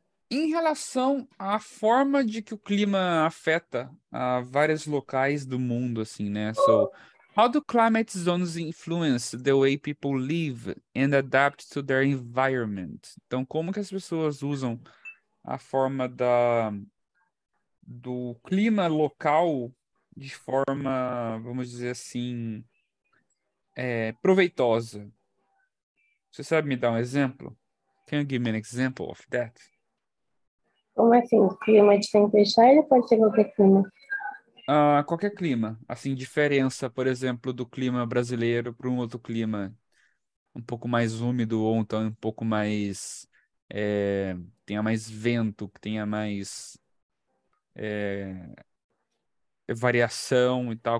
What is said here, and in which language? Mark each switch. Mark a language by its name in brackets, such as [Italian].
[Portuguese] Em relação à forma de que o clima afeta a vários locais do mundo, assim, né? [English] So, how do climate zones influence the way people live and adapt to their environment? [Portuguese] Então, como que as pessoas usam a forma do clima local de forma, vamos dizer assim, proveitosa? Você sabe me dar um exemplo? [English] Can you give me an example of that? [Portuguese] Como assim? O clima de tempestade pode ser qualquer clima? Qualquer clima, assim, diferença, por exemplo, do clima brasileiro para um outro clima um pouco mais úmido ou então um pouco mais tenha mais vento, que tenha mais variação e tal.